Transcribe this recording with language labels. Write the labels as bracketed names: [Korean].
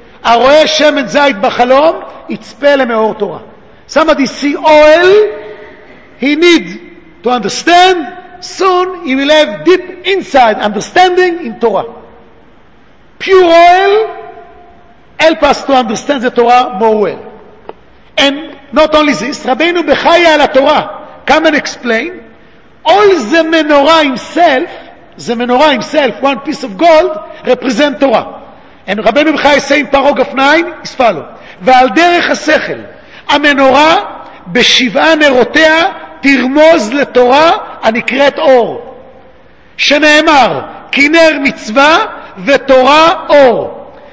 [Hebrew] הרואה שמן זית בחלום יצפה למאור תורה. [English] Somebody see oil, he need to understand, soon he will have deep inside understanding in Torah. Pure oil help us to understand the Torah more well. And not only this, רבינו בחיה על התורה, come and explain, all the menorah himself, the menorah himself, one piece of gold, represent Torah. And Rabbeinu B'chai say in Paro Gaf 9, is follow. [Hebrew] ועל דרך השכל, המנורה בשבעה נרותיה תרמוז לתורה הנקראת אור. שנאמר, כי נר מצווה ותורה אור.